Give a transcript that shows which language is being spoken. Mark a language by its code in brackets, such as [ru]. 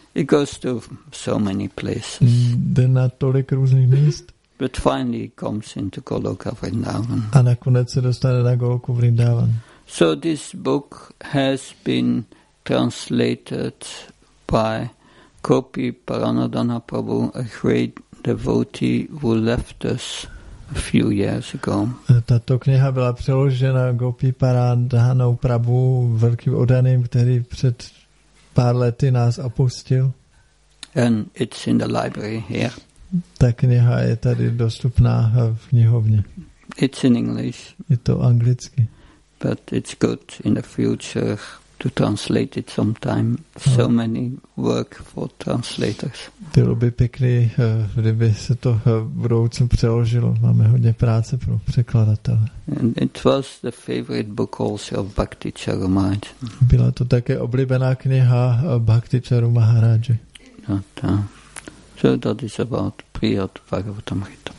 [en] He goes to so many places. [cs] Jde na tolik různých míst. [en] But finally comes into Goloka Vrindavan. [cs] A nakonec se dostane na Goloku Vrindavan. [en] So this book has been translated by Gopi Paranadana Prabhu, a great devotee who left us a few years ago. [cs] Tato kniha byla přeložena Gopi Paranadanou Prabhu, velkým odaným, který před pár lety nás opustil. [en] And it's in the library here. [cs] Ta kniha je tady dostupná v knihovně. [en] It's in English. [cs] Je to anglicky. [en] But it's good in the future to translate it sometime. So many work for translators. [cs] Bylo by pěkný, kdyby se to v budoucnu přeložilo. Máme hodně práce pro překladatele. [en] And it was the favorite book also of Bhakti Charumaharaj. [cs] Byla to také oblíbená kniha Bhakti Charumaharaji. [en] So that is about Brihat Bhagavatamrita.